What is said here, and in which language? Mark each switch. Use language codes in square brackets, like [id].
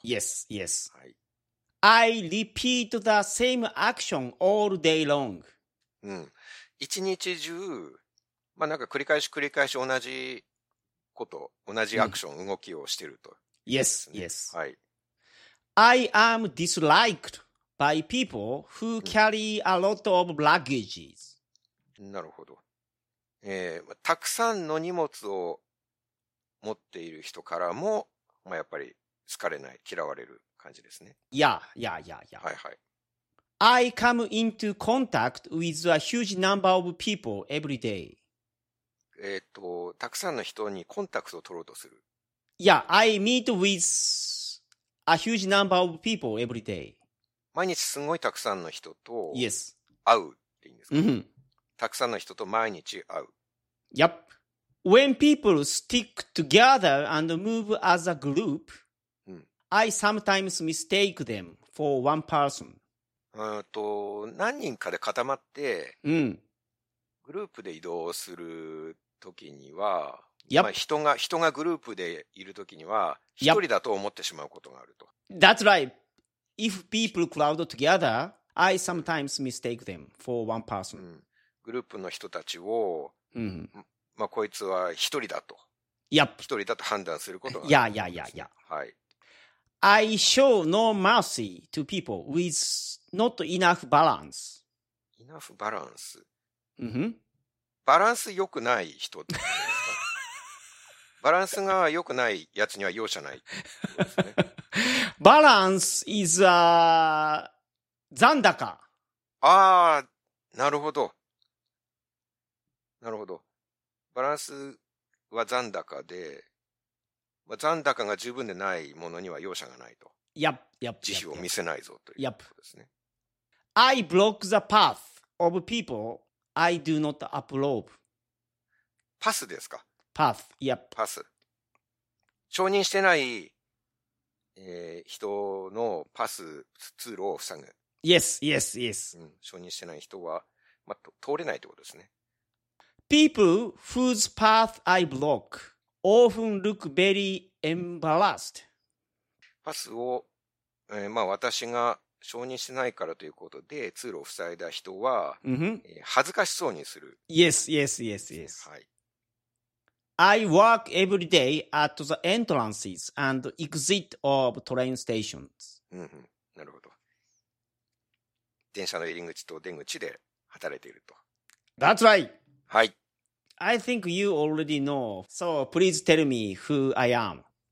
[en] Yes, yes.、 [ja] はい、 [en] I repeat the same action all day long. [ja] うん、一日中、まあ、なんか繰り返し繰り返し同じこと、同じアクション、うん、動きをしてると。 [en] Yes, yes.、 [ja] はい、 [en] I am disliked. By people who carry a lot of luggage. [ja] なるほど、たくさんの荷物を持っている人からも、まあ、やっぱり好かれない、嫌われる感じですね。 [en] Yeah. [ja] はいはい。 [en] I come into contact with a huge number of people every day. [ja] たくさんの人にコンタクトを取ろうとする。 [en] Yeah, I meet with a huge number of people every day. [ja] 毎日すごいたくさんの人と会う、 [en] yes. [ja] っていうんですか、 [en] mm-hmm. [ja] たくさんの人と毎日会う。 [en] Yep. When people stick together and move as a group,、 [ja] うん、 [en] I sometimes mistake them for one person. [ja] 何人かで固まって、うん、グループで移動するときには、 [en] yep. [ja] まあ、人がグループでいるときには、一人だと思ってしまうことがあると。 [en] Yep. That's right. If people crowd together, I sometimes mistake them for one person.、 [ja] うん、グループの人たちを、うん、まあ、こいつは一人だと。 [en] Yep. [ja] 一人だと判断することがある。 [en] Yeah. [ja] はい。 [en] I show no mercy to people with not enough balance. Enough balance?、 Mm-hmm. [ja] バランス良くない人ってことですか。バランスが良くないやつには容赦ないってことですね。 [en] Balance is a 残高。 [ja] ああ、なるほど。なるほど。バランスは残高で、まあ、残高が十分でないものには容赦がないと。 [en] Yep. [ja] 慈悲を見せないぞという。 [en] Yep. [ja] ですね。 [en] I block the path of people I do not approve. [ja] パスですか。 [en] Path. Yep. [ja] パス。承認してない。人のパス通路を塞ぐ。 [en] Yes, yes, yes.、 [ja] うん、承認してない人は、まあ、通れないってことですね。 [en] People whose path I block often look very embarrassed. [ja] パスを、まあ、私が承認してないからということで通路を塞いだ人は、 [en] mm-hmm. [ja] 恥ずかしそうにする。 [en] Yes, yes, yes, yes.、 [ja] はい、 [en] I work every day at the entrances and exit of train stations. [ja] うん、うん、なるほど。電車の入り口と出口で働いていると。 [en] That's right! [ja] はい。 [en] I think you already know, so please tell me who I am.